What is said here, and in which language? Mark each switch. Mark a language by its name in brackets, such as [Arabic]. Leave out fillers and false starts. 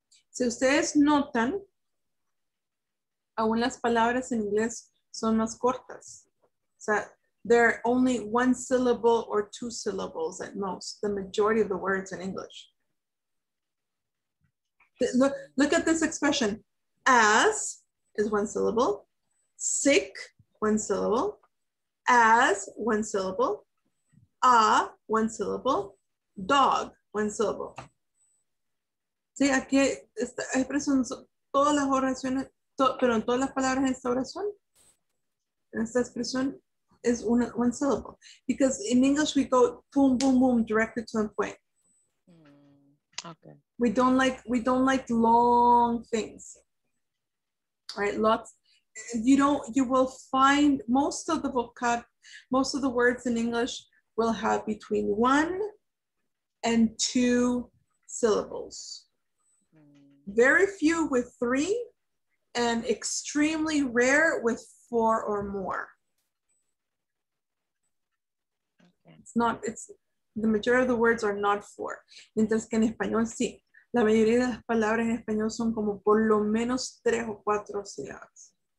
[Spanish] Si ustedes notan, aún las palabras en inglés son más cortas. O sea, [English] they're only one syllable or two syllables at most, the majority of the words in English. Look at this expression. As is one syllable. Sick, one syllable. As, one syllable. A, one syllable. Dog, one syllable. [Spanish] Sí, aquí está expresando todas las oraciones, pero en todas las palabras en esta oración, en esta expresión, es [English] one syllable. Because in English we go boom, boom, boom, directly to the point. Okay. We don't like long things. Right? You will find most of the words in English will have between one and two syllables. Very few with three, and extremely rare with four or more. It's the majority of the words are not four. [Spanish] Mientras que en español sí, la mayoría de las palabras en español son como por lo menos tres o cuatro sílabas.